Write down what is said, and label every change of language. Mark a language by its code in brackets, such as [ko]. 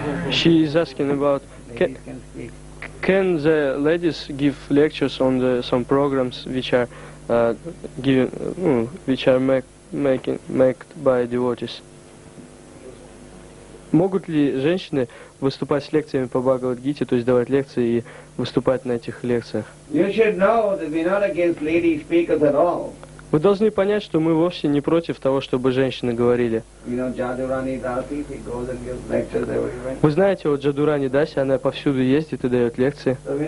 [en] She is asking about can the ladies give lectures on the some programs which are given which are made by devotees? [ru] Могут ли женщины выступать с лекциями по Бхагавад-гите, то есть давать лекции и выступать на этих лекциях. [en] You should know that we're not against lady speakers at all. [ru] Вы должны понять, что мы вовсе не против того, чтобы женщины говорили. Вы знаете, вот Джадурани Даси, она повсюду ездит и дает лекции.